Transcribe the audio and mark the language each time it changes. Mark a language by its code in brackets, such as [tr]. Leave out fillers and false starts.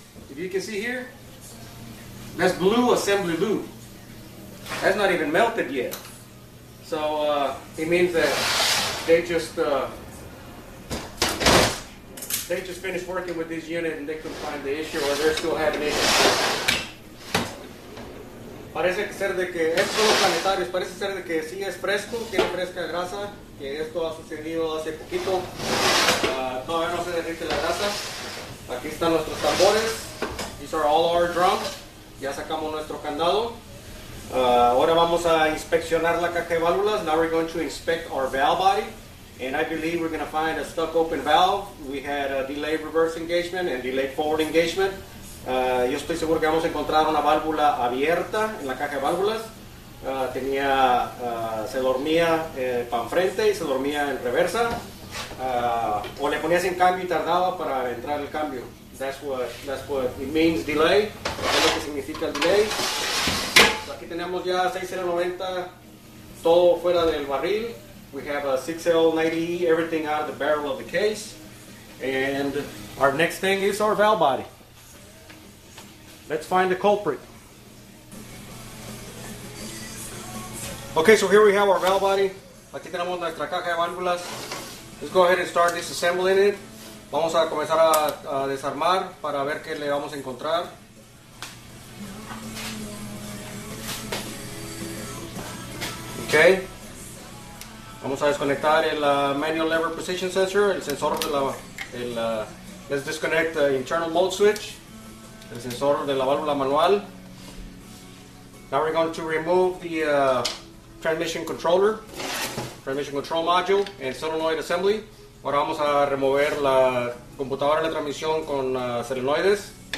[en] If you can see here, that's blue assembly lube. That's not even melted yet. So it means that they just finished working with this unit and they couldn't find the issue, or they're still having issues. [es] Parece ser de que es solo planetario. Parece ser de que sí es fresco, tiene fresca grasa, que esto ha sucedido hace poquito. Todavía no se derrite la grasa. Aquí están nuestros tambores. [en] These are all our drums. [es] Ya sacamos nuestro candado. Ahora vamos a inspeccionar la caja de válvulas. [en] Now we're going to inspect our valve body. And I believe we're going to find a stuck open valve. We had a delayed reverse engagement and delayed forward engagement. [es] Yo estoy seguro que vamos a encontrar una válvula abierta en la caja de válvulas. Tenía, se dormía pan frente y se dormía en reversa. O le ponías en cambio y tardaba para entrar el cambio. [en] That's what it means, delay. [es] Es lo que significa el delay. So aquí tenemos ya 6090, todo fuera del barril. [en] We have a 6L90E, everything out of the barrel of the case. And our next thing is our valve body. Let's find the culprit. Okay, so here we have our valve body. [es] Aquí tenemos nuestra caja de válvulas. [en] Let's go ahead and start disassembling it. [es] Vamos a comenzar a desarmar para ver qué le vamos a encontrar. Okay. Vamos a desconectar el manual lever position sensor, el sensor de la, [en] let's disconnect the internal mode switch, [es] el sensor de la válvula manual. [en] Now we're going to remove the transmission controller, transmission control module, and solenoid assembly. [es] Ahora vamos a remover la computadora de la transmisión con solenoides.